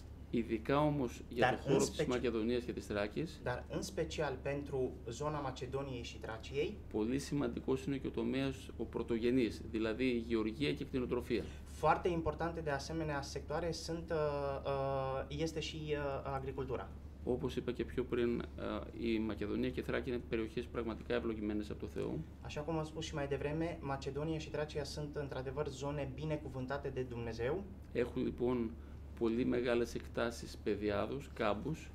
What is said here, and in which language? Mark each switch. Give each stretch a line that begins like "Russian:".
Greek: Ειδικά όμως για τον χώρο της Μακεδονίας και της Θράκης.
Romanian: Dar în special pentru zona Macedoniei și Traciei.
Greek: Πολύ σημαντικός είναι και ο τομέας ο πρωτογενής, δηλαδή η γεωργία και η κτηνοτροφία.
Romanian: Foarte importante de asemenea sectoare sunt este și agricultura.
Greek: Όπως είπα και πιο πριν, η Μακεδονία και η Θράκη είναι περιοχές πραγματικά ευλογημένες από το Θεό.
Romanian: Așa cum am spus și mai devreme, Macedonia și Tracia sunt într-adevăr zone binecuvântate de Dumnezeu.
Greek: Έχουν λοιπόν πολύ μεγάλες εκτάσεις πεδιάδους, κάμπους.